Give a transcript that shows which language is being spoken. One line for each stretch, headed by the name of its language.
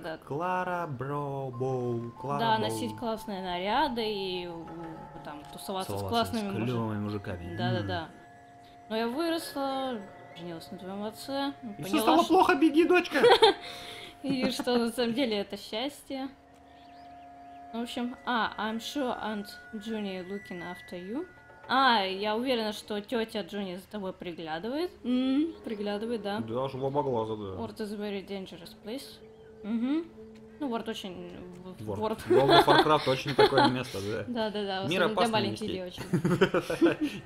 Russian: Да. Клара Броу, Клара Броу. Да, носить классные наряды и там тусоваться с классными мужиками. С клёвыми мужиками. Да, да, да. Но я выросла, женилась на твоем отце. И все стало плохо, беги, дочка! И что на самом деле это счастье. В общем,
English: I'm sure Aunt Junie looking after you.
Russian: А, я уверена, что тетя Джуни за тобой приглядывает. Приглядывает, да. Да, чтобы помогла, да.
English: World is a very dangerous place.
Russian: Угу. Ну,
English: World
Russian: очень...
English: World.
Russian: World of Warcraft очень такое место, да. Да, да, да. Мир опасный для маленьких девочек.